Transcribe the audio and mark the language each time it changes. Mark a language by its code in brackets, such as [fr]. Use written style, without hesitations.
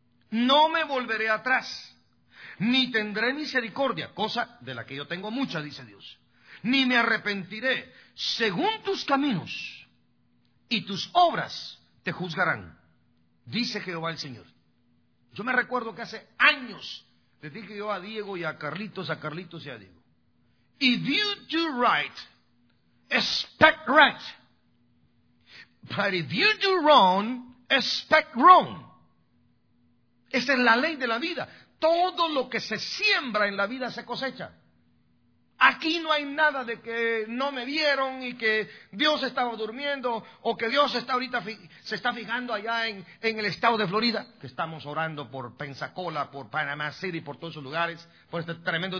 [es] No me volveré atrás, ni tendré misericordia, cosa de la que yo tengo mucha, dice Dios. Ni me arrepentiré, según tus caminos y tus obras te juzgarán, dice Jehová el Señor. Yo me recuerdo que hace años le dije yo a Diego y a Carlitos y a Diego. [en] If you do right, expect right. But if you do wrong, expect wrong. [es] Esa es la ley de la vida. Todo lo que se siembra en la vida se cosecha. Aquí no hay nada de que no me vieron y que Dios estaba durmiendo o que Dios está ahorita se está fijando allá en el estado de Florida, que estamos orando por Pensacola, por Panama City, por todos esos lugares, por este tremendo.